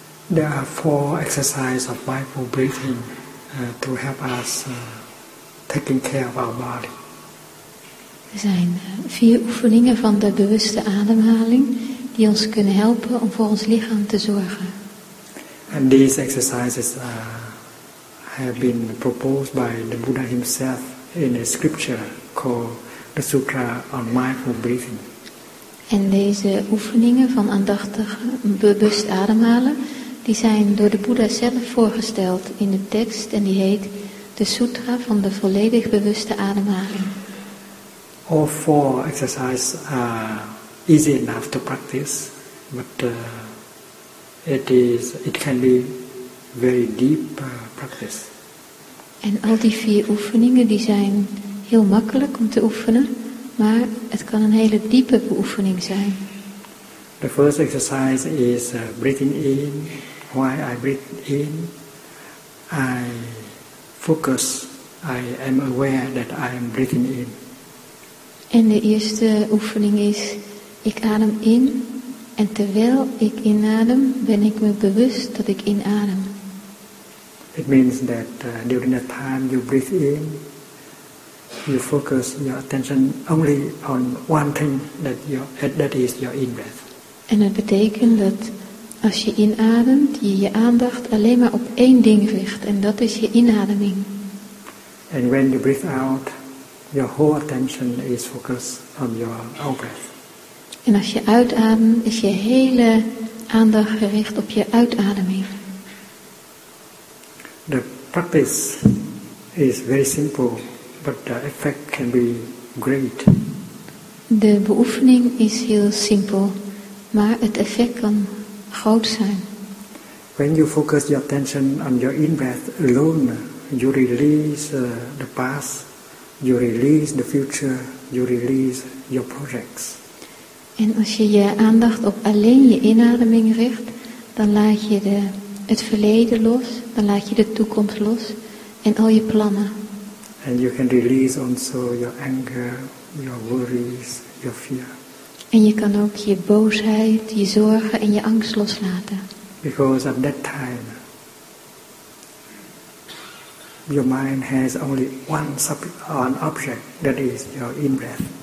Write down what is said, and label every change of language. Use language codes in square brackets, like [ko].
[en] There are 4 exercises of mindful breathing to help us taking care of our body. [nl] Er zijn 4 oefeningen van de bewuste ademhaling die ons kunnen helpen om voor ons lichaam te zorgen. [en] And these exercises have been proposed by the Buddha himself in a scripture called the Sutra on Mindful Breathing. [nl] En deze oefeningen van aandachtig bewust ademhalen, die zijn door de Boeddha zelf voorgesteld in de tekst en die heet de Sutra van de volledig bewuste ademhaling. [en] All 4 exercises are easy enough to practice, but it can be very deep practice. [nl] En al die 4 oefeningen die zijn heel makkelijk om te oefenen, maar het kan een hele diepe beoefening zijn. [en] The first exercise is breathing in. While I breathe in, I focus. I am aware that I am breathing in. [nl] En de eerste oefening is, ik adem in en terwijl ik inadem, ben ik me bewust dat ik inadem. [en] It means that during the time you breathe in, you focus your attention only on one thing, that is your in-breath. [nl] En dat betekent dat als je inademt, je je aandacht alleen maar op één ding richt, en dat is je inademing. [en] And when you breathe out, your whole attention is focused on your out-breath. [nl] En als je uitademt, is je hele aandacht gericht op je uitademing. [en] The practice is very simple, but the effect can be great. [nl] De beoefening is heel simpel, maar het effect kan groot zijn. [en] When you focus your attention on your in-breath alone, you release the past, you release the future, you release your projects. [nl] En als je je aandacht op alleen je inademing richt, dan laat je het verleden los, dan laat je de toekomst los en al je plannen. [en] And you can release also your anger, your worries, your fear. [nl] En je kan ook je boosheid, je zorgen en je angst loslaten. [en] Because at that time, your mind has only one object, that is your in-breath.